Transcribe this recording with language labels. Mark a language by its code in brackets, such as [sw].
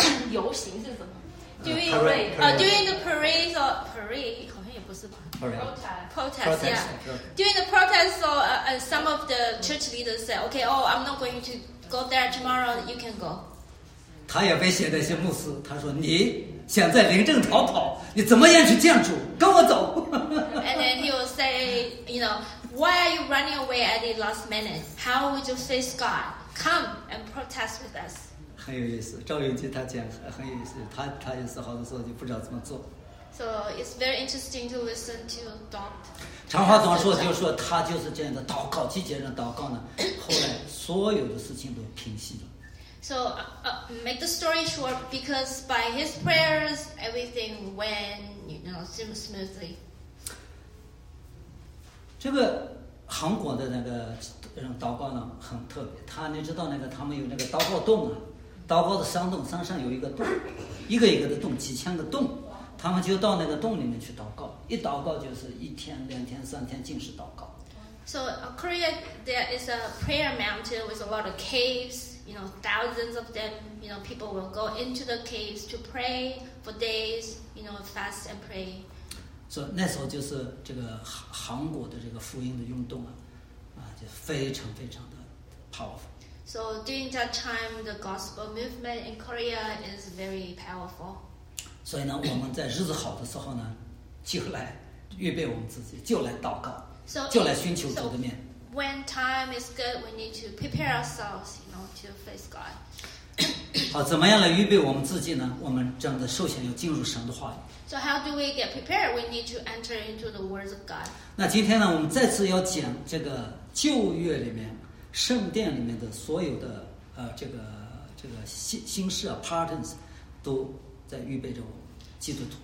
[zh] 游行是什么？ [en] During the parade, [zh] 好像也不是吧 [en] ？Protest. During the protest, so some of the church leaders said, "Okay, oh, I'm not going to go there tomorrow. You can go." [zh] 他也威胁那些牧师，他说：“你想在临阵逃跑，你怎么样去见主？跟我走。 [en] ” And then he will say, you know, why are you running away at the last minute? How would you face God? Come and protest with us. [zh] 很有意思，赵永基他讲很有意思，他也是好多时候就不知道怎么做。 [en] So it's very interesting to listen to Dot. [zh] 长话短说，就是说他就是这样的祷告，积极的祷告呢，后来所有的事情都平息了。 [en] So, make the story short, because by his prayers, everything went, you know, seemed smoothly. [zh] 这个韩国的那个人祷告呢很特别，他你知道那个他们有那个祷告洞啊，祷告的山洞，山上有一个洞，一个一个的洞，几千个洞，他们就到那个洞里面去祷告，一祷告就是一天、两天、三天，尽是祷告。 [en] So, Korea, there is a prayer mountain with a lot of caves. You know, thousands of them, you know, people will go into the caves to pray for days, you know, fast and pray. [zh] So, 那时候就是这个韩国的这个福音的运动啊，就非常非常的 powerful. [en] So, during that time, the gospel movement in Korea is very powerful. [zh] 所以呢，我们在日子好的时候呢，就来预备我们自己，就来祷告，就来寻求主的面。 [en] When time is good, we need to prepare ourselves, you know, to face God. [zh] 好，怎么样来预备我们自己呢？我们这样的受洗要进入神的话语。 [en] So how do we get prepared? We need to enter into the words of God. [zh] 那今天呢，我们再次要讲这个旧约里面圣殿里面的所有的这个这个心事啊 patterns 都在预备着我们基督徒。